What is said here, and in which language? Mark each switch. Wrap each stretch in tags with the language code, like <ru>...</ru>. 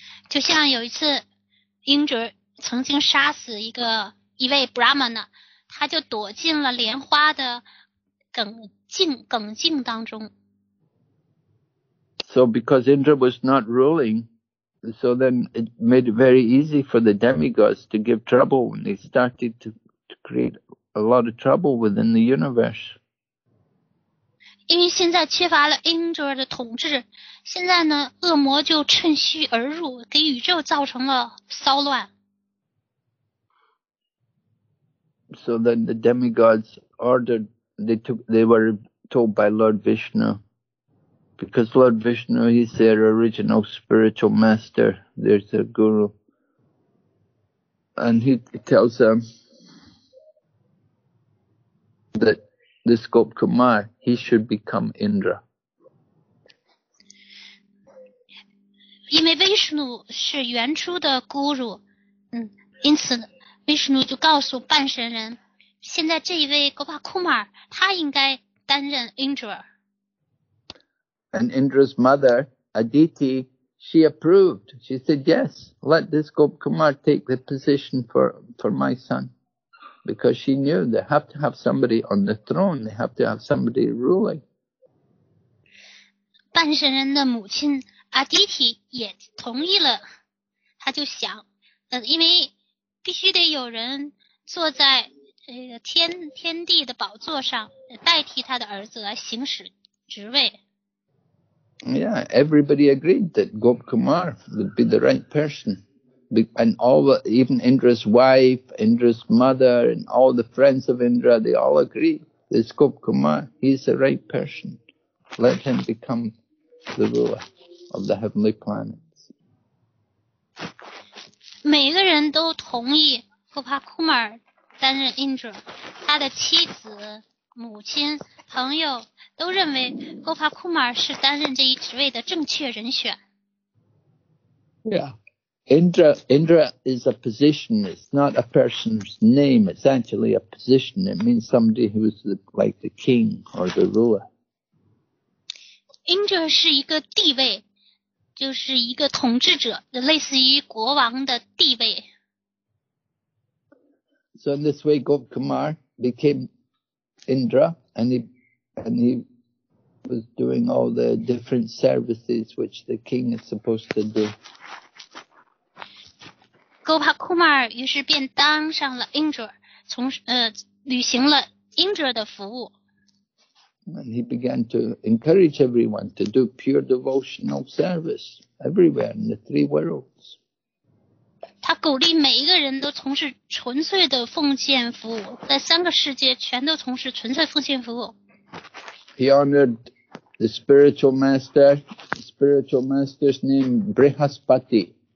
<zh>就像有一次 Indra 曾经杀死一位 brahmana, 他就躲进了莲花的梗茎当中。</zh> <en>So because Indra was not ruling, so then it made it very easy for the demigods to give trouble and they started to create a lot of trouble within the universe.</en> <zh>因为现在缺乏了 Indra 的统治，现在呢，恶魔就趁虚而入，给宇宙造成了骚乱。</zh> <en>So then the demigods ordered, they were told by Lord Vishnu, because Lord Vishnu is their original spiritual master, there's their guru. And he tells them that. This Gopkumar, he should become Indra.</en> <zh>因为 Vishnu 是原初的 Guru, 因此 Vishnu 就告诉半神人，现在这一位 Gopakumar, 他应该担任 Indra.</zh> <en>And Indra's mother, Aditi, she approved. She said, yes, let this Gopkumar take the position for my son. Because she knew they have to have somebody on the throne, they have to have somebody ruling.</en> <zh>半神人的母亲 Aditi 也同意了，她就想，因为必须得有人坐在天地的宝座上，代替他的儿子来行使职位。</zh> <en>Yeah, everybody agreed that Gop Kumar would be the right person. And all, even Indra's wife, Indra's mother, and all the friends of Indra, they all agree that Gop Kumar, he's the right person. Let him become the ruler of the heavenly planets.</en> <zh>每个人都同意 Gop Kumar 担任 Indra, 他的妻子、母亲、朋友都认为 Gop Kumar 是担任这一职位的正确人选。</zh> <en>Yeah, Indra is a position. It's not a person's name. It's actually a position. It means somebody who's like the king or the ruler.</en> <zh>Indra 是一个地位，就是一个统治者，类似于国王的地位。</zh> <en>So in this way, Gop Kumar became Indra, and he was doing all the different services which the king is supposed to do.</en> <zh>Gop Kumar 于是便当上了 Indra, 履行了 Indra 的服务。</zh> <en>And he began to encourage everyone to do pure devotional service everywhere in the three worlds.</en> <zh>他鼓励每一个人都从事纯粹的奉献服务，在三个世界全都从事纯粹奉献服务。</zh> <en>He honored the spiritual master, the spiritual master's name Brihaspati.</en>